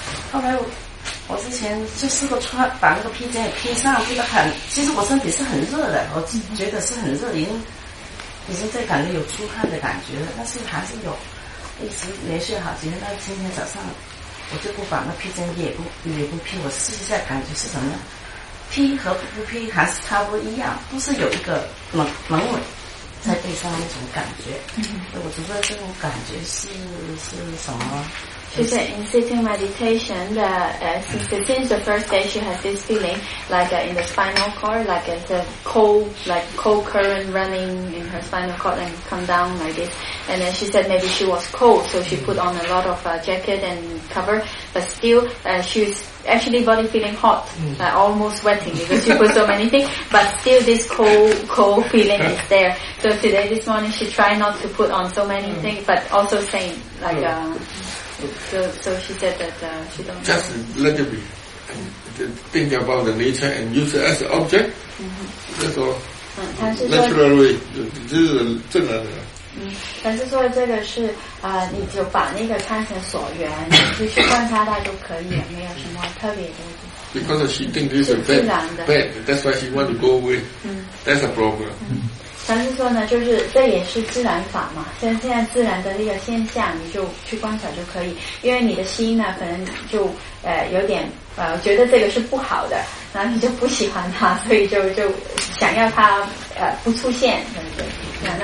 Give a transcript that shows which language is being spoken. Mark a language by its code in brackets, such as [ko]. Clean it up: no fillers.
[zh] 后来我之前就试过穿把那个披肩也披上，觉得很，其实我身体是很热的，我觉得是很热，已经在感觉有出汗的感觉了，但是还是有一直连续好几天，到今天早上我就不把那披针也不披，我试一下感觉是什么样，披和不披还是差不多一样，都是有一个冷冷冷在背上那种感觉。嗯，我不知道这种感觉是什么。 [en] She said in sitting meditation, since the first day she had this feeling, like in the spinal cord, like it's a cold current running in her spinal cord and come down like this. And then she said maybe she was cold, so she put on a lot of jacket and cover, but still she's actually body feeling hot, like almost sweating because she put so many things, but still this cold feeling is there. So today, this morning, she tried not to put on so many things, but also same, like... So she said that she don't just let it be. Think about the nature and use it as an object. Mm-hmm. That's all. Naturally, this is the [zh] 正常的。嗯，但是说这个是你就把那个参禅所缘就去观察它就可以了，没有什么特别的。 [en] Because she think this is bad, that's why she want to go away. That's a problem. [zh] 但是说呢，就是这也是自然法嘛，像现在自然的这个现象，你就去观察就可以。因为你的心呢，可能就有点觉得这个是不好的，然后你就不喜欢它，所以就想要它不出现，对不对？